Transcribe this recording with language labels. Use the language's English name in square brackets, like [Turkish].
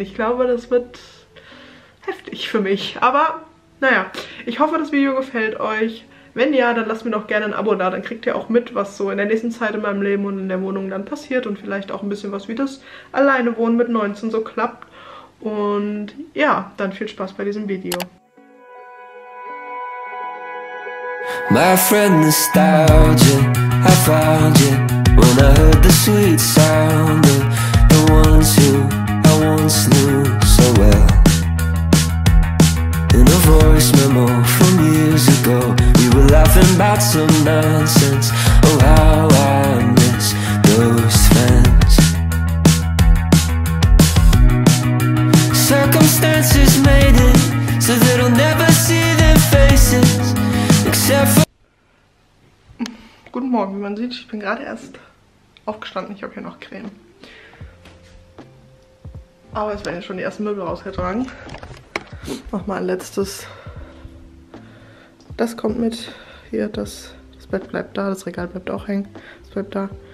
[German] Ich glaube, das wird heftig für mich. Aber naja, ich hoffe, das Video gefällt euch. Wenn ja, dann lasst mir doch gerne ein Abo da. Dann kriegt ihr auch mit, was so in der nächsten Zeit in meinem Leben und in der Wohnung dann passiert. Und vielleicht auch ein bisschen was, wie das alleine wohnen mit 19 so klappt. Und ja, dann viel Spaß bei diesem Video. [English] My friend nostalgia, I found you when I heard the sweet sound of the ones who I once knew so well. In a voice memo from years ago, we were laughing about some nonsense. Oh, how I miss those friends. Circumstances made it so they'll never see their faces, except for. [German] Guten Morgen, wie man sieht, ich bin gerade erst aufgestanden, ich habe hier noch Creme. Aber es werden ja schon die ersten Möbel rausgetragen. Nochmal ein letztes. Das kommt mit hier, das Bett bleibt da, das Regal bleibt auch hängen, das bleibt da.